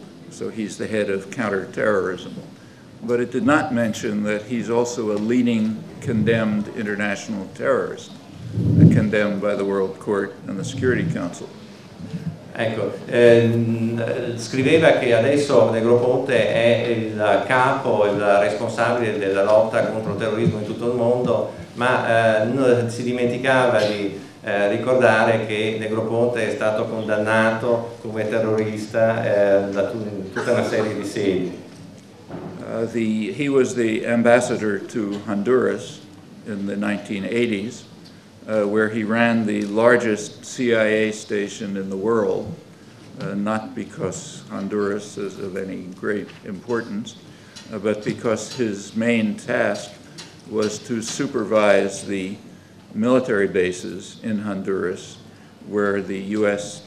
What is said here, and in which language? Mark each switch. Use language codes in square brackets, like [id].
[en] So he's the head of counterterrorism. But it did not mention that he's also a leading condemned international terrorist, condemned by the World Court and the Security Council. [it] Ecco, scriveva che adesso Negroponte è il capo, il responsabile della lotta contro il terrorismo in tutto il mondo, ma si dimenticava di ricordare che Negroponte è stato condannato come terrorista da tutta una serie di segni. [en] He was the ambassador to Honduras in the 1980s, where he ran the largest CIA station in the world, not because Honduras is of any great importance, but because his main task was to supervise the military bases in Honduras where the U.S.